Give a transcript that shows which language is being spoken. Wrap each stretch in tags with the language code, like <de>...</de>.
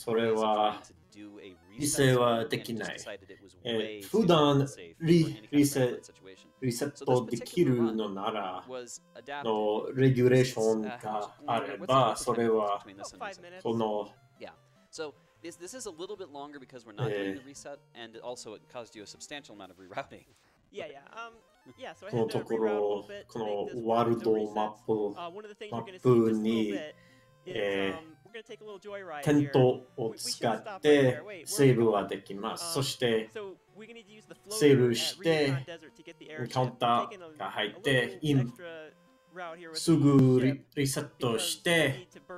<ja>それは、リセはできない。普段リセットできるのなら、のレギュレーションがあれば、それは、この、</ja> <en>This is a little bit longer because we're not doing the reset, and also it caused you a substantial amount of rerouting. Yeah, yeah. Yeah, so I had to reroute a little bit to make this world reset. One of the things we're going to see just a little bit is we're going to take a little joyride here.</en> <ja>テントを使ってセーブはできます。そして、セーブしてカウンターが入って、今すぐリセットして、</ja>